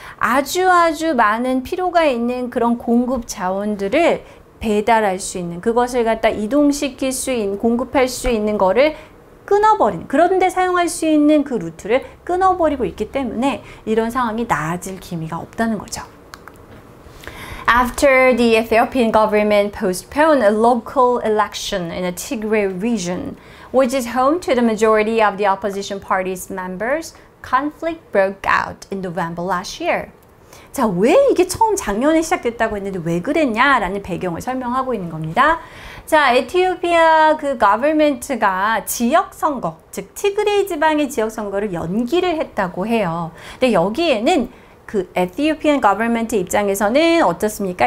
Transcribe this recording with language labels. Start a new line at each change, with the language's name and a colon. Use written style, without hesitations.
Korean: 아주 아주 많은 필요가 있는 그런 공급 자원들을 배달할 수 있는 그것을 갖다 이동시킬 수 있는 공급할 수 있는 거를 끊어버린 그런데 사용할 수 있는 그 루트를 끊어버리고 있기 때문에 이런 상황이 나아질 기미가 없다는 거죠.
English: After the Ethiopian government postponed a local election in the Tigray region, which is home to the majority of the opposition party's members, conflict broke out in November last year.
Korean: 자, 왜 이게 처음 작년에 시작됐다고 했는데 왜 그랬냐라는 배경을 설명하고 있는 겁니다. 자, 에티오피아 그 government가 지역 선거, 즉 티그레이 지방의 지역 선거를 연기를 했다고 해요. 근데 여기에는 그 Ethiopian government 입장에서는 어떻습니까?